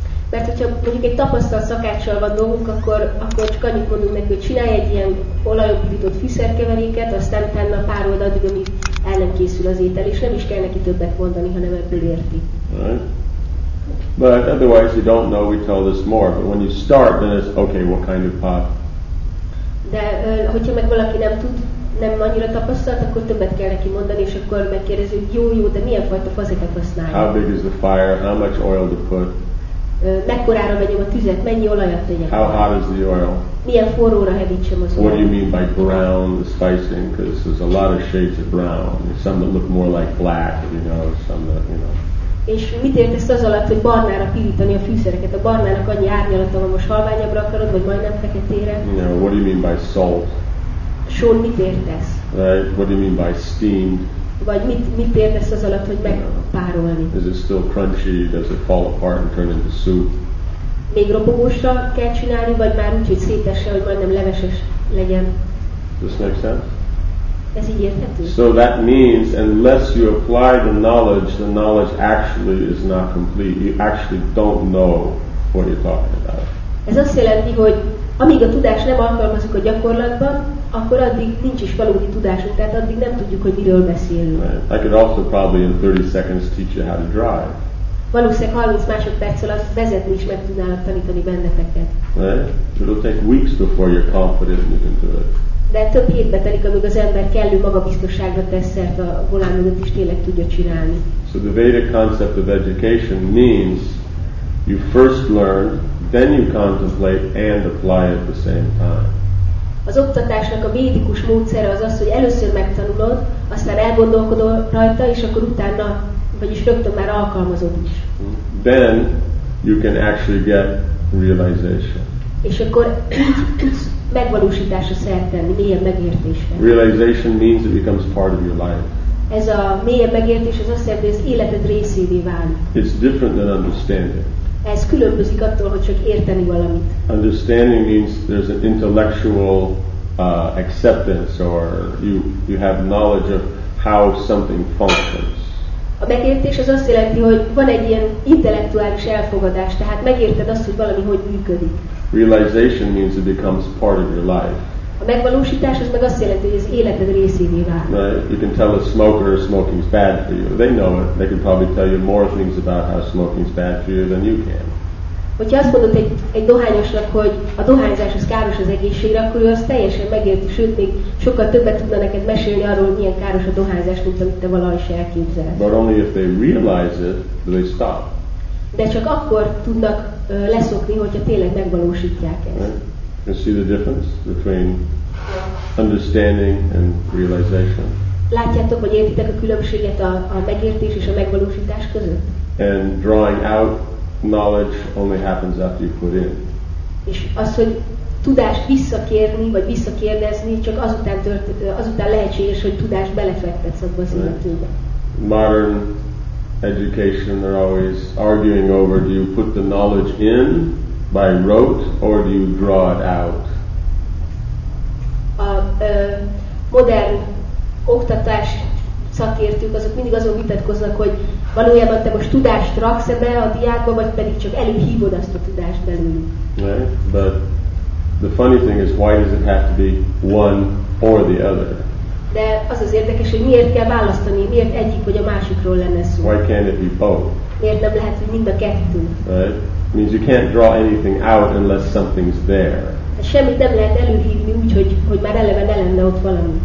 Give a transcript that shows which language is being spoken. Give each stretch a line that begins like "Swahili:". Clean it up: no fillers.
Hungarian: Mert hogyha mondjuk egy tapasztalt szakáccsal van dolgunk, akkor csak annyit mondunk neki, hogy csinálj egy ilyen olajpirított fűszerkeveréket, aztán utána párold addig, amíg el nem készül az étel, és nem is kell neki többet mondani, hanem ebből érti.
English: Right. But otherwise you don't know, we tell this more. But when you start, then it's okay, what kind of pot?
Hungarian: De hogyha meg valaki nem tud, nem annyira tapasztalt, akkor többet kell neki mondani, és akkor megkérdezi, hogy jó, de milyen fajta fazeket használjuk?
English: How big is the fire? How much oil to put?
Hungarian: Mekkorára vegyem a tüzet? Mennyi olajat tegyek?
English: How hot is the oil?
Hungarian: Milyen forróra hevítsem az olajat?
English: What do you mean by brown, the spicing? Because there's a lot of shades of brown. Some that look more like black, some that,
Hungarian: És mit értesz az alatt, hogy barnára pirítani a fűszereket? A barnának annyi árnyalata van, most halványabbra akarod, vagy majdnem feketére?
English: What do you mean by salt?
Hungarian: Són mit értesz?
English: Right? What do you mean by steamed?
Hungarian: Vagy mit értesz az alatt, hogy megpárolni?
English: Is it still crunchy? Does it fall apart and turn into soup?
Hungarian: Még ropogósra kell csinálni, vagy már úgy, hogy szétesse, hogy majdnem leveses legyen?
English: This makes sense?
Hungarian: Ez így érthető?
English: So that means unless you apply the knowledge actually is not complete. You actually don't know what you're talking about.
Hungarian: Ez azt jelenti, hogy amíg a tudás nem alkalmazunk a gyakorlatban, akkor addig nincs is valódi tudásunk, tehát addig nem tudjuk, hogy miről beszélünk.
English: Right. I could also probably in 30 seconds teach you how to drive.
Hungarian: Valószínűleg 30 másodperc alatt vezetni is meg tudnának tanítani benneteket.
English: Right. It'll take weeks before you're confident you can do it.
Hungarian: De több hétbe telik, amíg az ember kellő magabiztosságra tesz szert a volán mögött is tényleg tudja csinálni.
English: So the Vedic concept of education means you first learn, then you contemplate and apply at the same time.
Hungarian: Az oktatásnak a védikus módszere az az, hogy először megtanulod, aztán elgondolkodol rajta, és akkor utána, vagyis rögtön már alkalmazod is.
English: Then you can actually get realization.
Hungarian: És akkor tudsz megvalósításra szert tenni, mélyebb megértésre.
English: Realization means it becomes part of your life.
Hungarian: Ez a mélyebb megértés az azt jelenti, hogy az életed részévé válik.
English: It's different than understanding.
Hungarian: Ez különbözik attól, hogy csak érteni valamit.
English: Understanding means there's an intellectual acceptance, or you have knowledge of how something functions.
Hungarian: A megértés az azt jelenti, hogy van egy ilyen intellektuális elfogadás, tehát megérted azt, hogy valami hogy működik.
English: Realization means it becomes part of your life.
Hungarian: A megvalósítás az meg azt jelenti, hogy az életed részévé válik.
English: Right. You can tell a smoker smoking is bad for you. They know it. They can probably tell you more things about how smoking is bad for you than you can.
Hungarian: Hogyha azt mondod egy dohányosnak, hogy a dohányzás az káros az egészségre, akkor ő azt teljesen megérti, sőt még sokkal többet tudna neked mesélni arról, hogy milyen káros a dohányzás, mint amit te valahogy se elképzelsz.
English: But only if they realize it, do they stop.
Hungarian: De csak akkor tudnak leszokni, hogyha tényleg megvalósítják ezt.
English: Right. You see the difference between understanding and realization.
Hungarian: Látjátok, hogy értitek a különbséget a megértés és a megvalósítás között?
English: And drawing out knowledge only happens after you put in.
Hungarian: És az, hogy tudást visszakérni vagy visszakérdezni, csak azután lehetséges, hogy tudást belefektetsz abba az életébe.
English: Modern education are always arguing over, do you put the knowledge in by rote, or do you draw it out?
Hungarian: A modern oktatás szakértők azok mindig azon vitatkoznak, hogy valójában te most tudást raksz be a diákba, vagy pedig csak előhívod azt a tudást belőle.
English: Right, but the funny thing is, why does it have to be one or the other?
Hungarian: De az az érdekes, hogy miért kell választani, miért egyik vagy a másikról lenne szó?
English: Why can't it be both?
Hungarian: Miért nem lehet, hogy mind a kettő?
English: Right. Means you can't draw anything out unless something's there. Semmit nem lehet előhívni úgy, hogy már eleve ne lenne ott valami.